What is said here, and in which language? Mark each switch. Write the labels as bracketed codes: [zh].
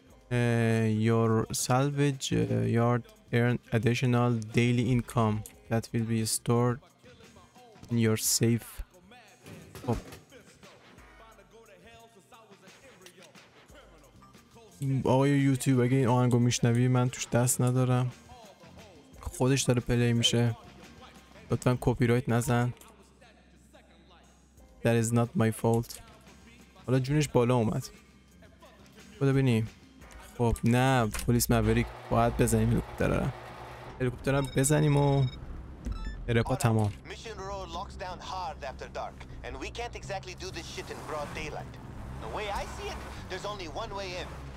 [en] Your salvage yard earn additional daily income that will be stored in your safe. [fa] خب آقای یوتیوب اگه این آهنگو میشنوی من توش دست ندارم، خودش داره پلی میشه، لطفا کپی رایت نزن. [en] That is not my fault. [fa] حالا جونش بالا اومد. خدا ببینیم. خب نه، پلیس موریک باید بزنیم. هلیکوپترم بزنیم و رپا تمام. [en] Mission row locks down hard after dark and we can't exactly do this shit in broad daylight. The way I see it, there's only one way in.